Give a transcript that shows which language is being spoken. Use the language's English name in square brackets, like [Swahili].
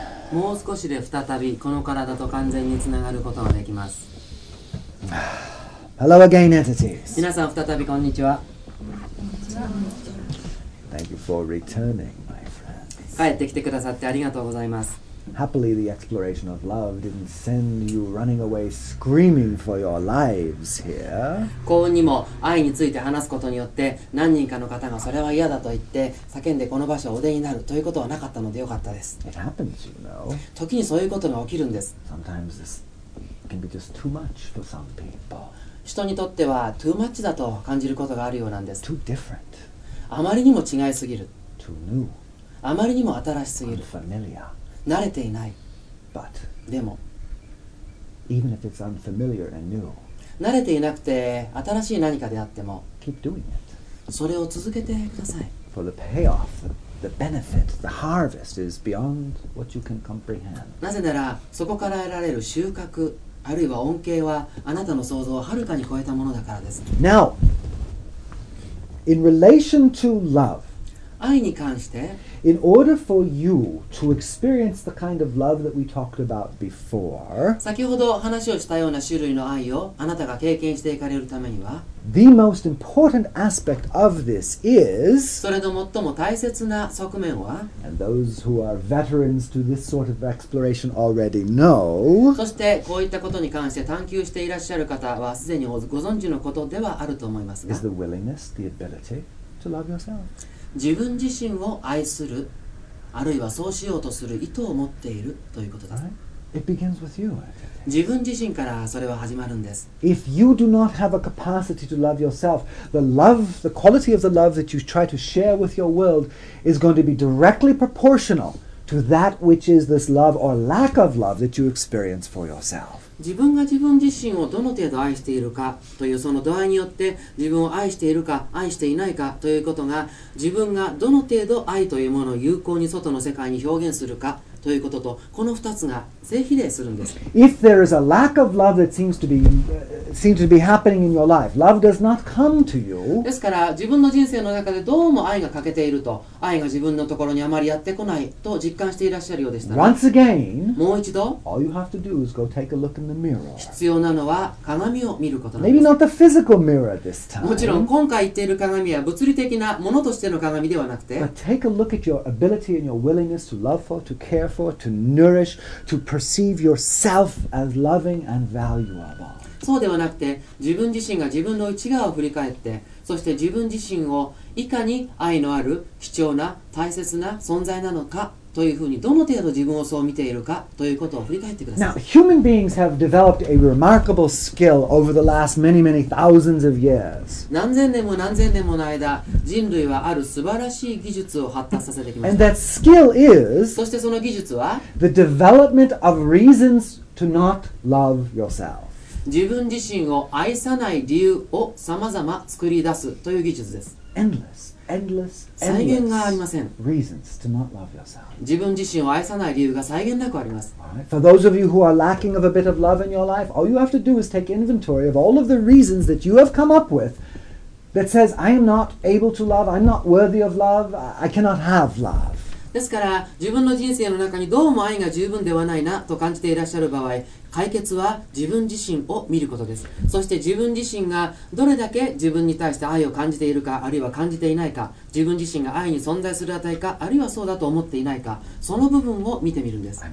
[Japanese] もう少しで再びこの体と完全につながることができます。 [English] Hello again, entities. [Japanese] 皆さん、再びこんにちは。 [English] Thank you for returning, my friends. [Japanese] 帰ってきてくださってありがとうございます。 [English] Happily, the exploration of love didn't send you running away screaming for your lives here. [Japanese] 幸運にも愛について話すことによって何人かの方がそれは嫌だと言って叫んでこの場所をお出になるということはなかったのでよかったです。 [English] It happens, you know. [Japanese] 時にそういうことが起きるんです。 [English] Sometimes this can be just too much for some people. [Japanese] 人にとっては too much だと感じることがあるようなんです。 [English] Too different. [Japanese] あまりにも違いすぎる。 [English] Too new. [Japanese] あまりにも新しすぎる。 [English] Unfamiliar. [Japanese] 慣れていない。 [English] But, [Japanese] でも、 [English] even if it's unfamiliar and new, [Japanese] 慣れていなくて新しい何かであっても、 [English] keep doing it. [Japanese] それを続けてください。 [English] For the payoff, the benefit, the harvest is beyond what you can comprehend. [Japanese] なぜならそこから得られる収穫あるいは恩恵はあなたの想像をはるかに超えたものだからです。 [English] Now, in relation to love. [Japanese] 愛に関して、 [English] In order for you to experience the kind of love that we talked about before, [Japanese] 先ほど話をしたような種類の愛をあなたが経験していかれるためには、 [English] The most important aspect of this is, [Japanese] それの最も大切な側面は、 [English] And those who are veterans to this sort of exploration already know, [Japanese] そしてこういったことに関して探求していらっしゃる方はすでにご存知のことではあると思いますが、 [English] Is the willingness, the ability to love yourself. [Japanese] 自分自身を愛する、あるいはそうしようとする意図を持っているということです。 [English] Right? It begins with you. [Japanese] 自分自身からそれは始まるんです。 [English] If you do not have a capacity to love yourself, the love, the quality of the love that you try to share with your world is going to be directly proportional to that which is this love or lack of love that you experience for yourself. [Japanese] 自分が自分自身をどの程度愛しているかというその度合いによって自分を愛しているか愛していないかということが自分がどの程度愛というものを有効に外の世界に表現するかということとこの2つが正比例するんです。 [English] If there is a lack of love that seems to be happening in your life, love does not come to you. [Japanese] ですから自分の人生の中でどうも愛が欠けていると、愛が自分のところにあまりやってこないと実感していらっしゃるようでしたら、 [English] Once again, [Japanese] もう一度、 [English] All you have to do is go take a look in the mirror. [Japanese] 必要なのは鏡を見ることなんです。 [English] Maybe not the physical mirror this time. [Japanese] もちろん今回言っている鏡は物理的なものとしての鏡ではなくて、 [English] But take a look at your ability and your willingness to love for, to care for, to nourish, to perceive yourself as loving and valuable. [Japanese] そうではなくて、自分自身が自分の内側を振り返って、そして自分自身をいかに愛のある、貴重な、大切な存在なのかというふうに、どの程度自分をそう見ているかということを振り返ってください。 [English] Now, human beings have developed a remarkable skill over the last many, many thousands of years. [Japanese] 何千年も何千年もの間、人類はある素晴らしい技術を発達させてきました。 [English] And that skill is, [Japanese] そしてその技術は、 [English] The development of reasons to not love yourself. [Japanese] 自分自身を愛さない理由をさまざま作り出すという技術です。 [English] Endless, endless, endless [Japanese] 再現がありません。 [English] Reasons to not love yourself. [Japanese] 自分自身を愛さない理由が再現なくあります。 [English] For those of you who are lacking of a bit of love in your life, all you have to do is take inventory of all of the reasons that you have come up with that says, I am not able to love, I'm not worthy of love, I cannot have love. [Japanese] ですから自分の人生の中にどうも愛が十分ではないなと感じていらっしゃる場合解決は自分自身を見ることですそして自分自身がどれだけ自分に対して愛を感じているかあるいは感じていないか自分自身が愛に存在する値かあるいはそうだと思っていないかその部分を見てみるんです